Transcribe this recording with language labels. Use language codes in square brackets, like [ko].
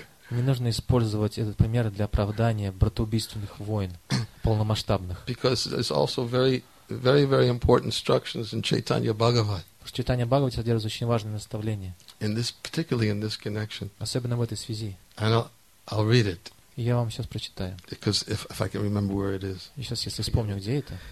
[ru] Не нужно использовать этот пример для оправдания братоубийственных войн полномасштабных. [en] Because it's also very very, very important instructions in Chaitanya Bhagavat. [ru] В Чайтанья Бхагавате содержится очень важное наставление. [en] In this, particularly in this connection. [ru] Особенно в этой связи. [en] And I'll read it. [ru] Я вам сейчас прочитаю. [en] Because if I can remember where it is. [ru] Сейчас, если вспомню, где это.